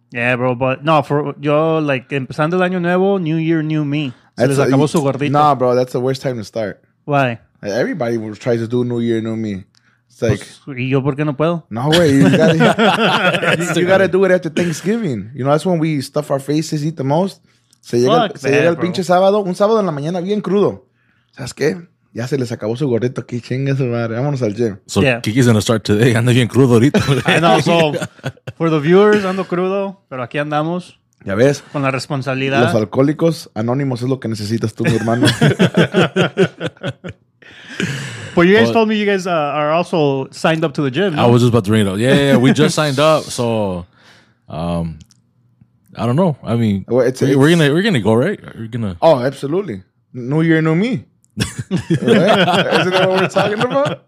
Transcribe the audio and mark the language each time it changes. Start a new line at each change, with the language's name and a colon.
English: Yeah, bro, but no, for
Spanish: yo, like, empezando el año nuevo,
English: new year, new me.
Spanish: Se les acabó su gordito.
English: Nah, bro, that's the worst time to start. Why? Everybody tries to do new year, new me. It's like,
Spanish: pues, ¿y yo por qué no puedo?
English: No way. You got to do it after Thanksgiving. You know, that's when we stuff our faces, eat the most.
Spanish: Se llega el pinche sábado, un sábado en la mañana, bien crudo. ¿Sabes qué? Ya se les acabó su gordito aquí, chingue su madre. Vámonos al gym.
English: So, yeah. Kiki's going to start today.
Spanish: Anda bien crudo ahorita.
English: I know, so, for the viewers,
Spanish: ando crudo, pero aquí andamos. Ya ves. Con la responsabilidad. Los alcohólicos anónimos es lo que necesitas tú, mi hermano.
English: But you guys told me you guys are also signed up to the gym. I was just about to bring it up. Yeah, we just signed up, so... I don't know. I mean, well, we're gonna go, right? Oh, absolutely. New year, new me. Isn't that what we're talking about?